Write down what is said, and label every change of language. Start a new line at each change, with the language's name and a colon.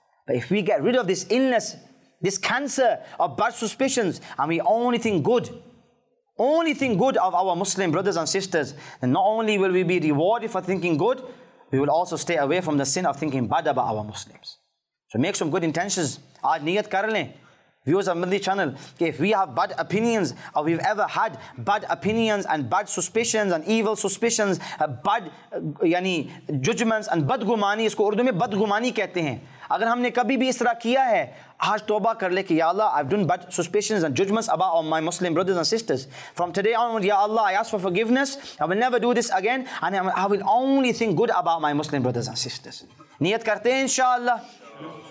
English: But if we get rid of this illness, this cancer of bad suspicions, and we only think good of our Muslim brothers and sisters, then not only will we be rewarded for thinking good, we will also stay away from the sin of thinking bad about our Muslims. So make some good intentions.
Urdu: Aaj niyat kar le.
English: Viewers of Middle East Channel, if we have bad opinions, or we've ever had bad opinions and bad suspicions and evil suspicions, bad yani judgments and bad gumani,
Urdu: isko Urdu mein bad gumani kehte hain. اگر ہم نے کبھی بھی اس طرح کیا ہے، آج توبہ کر لے کہ، یا اللہ،
English: I've done bad suspicions and judgments about all my Muslim brothers and sisters. From today onward, Ya Allah, I ask for forgiveness. I will never do this again. And I will only think good about my Muslim brothers and sisters.
Urdu: نیت کرتے ہیں، ان شاء اللہ۔